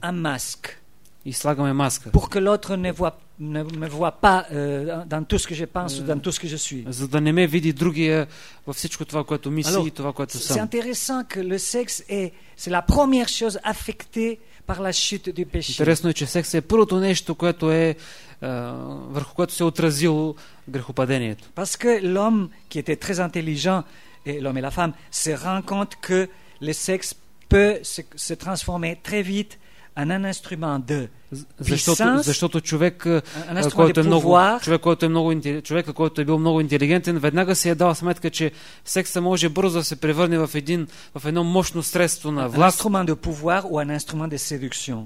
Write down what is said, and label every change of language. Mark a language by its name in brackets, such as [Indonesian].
[French] Un masque. [Bulgarian] И слагаме маска. [French] Pour que l'autre ne voit ne me voit pas dans tout ce que je pense ou dans tout ce que je suis. [Bulgarian] За да не ме види другия във всичко това, което мисли и това, което съм. [French] C'est intéressant que le sexe est c'est la première chose affectée par la chute du péché. [Bulgarian] Интересно е, че сексът е първото нещо, което е върху което се е отразило грехопадението. [French] Parce que l'homme qui était très intelligent et l'homme et la femme se rend compte que le sexe peut se transformer très vite en un instrument de [Bulgarian] защото човек, който е много, човек, който е бил много интелигентен, веднага си е дал сметка, че секса може бързо да се превърне в един, в едно мощно средство на власт. [French] Instrument de pouvoir ou un instrument de séduction.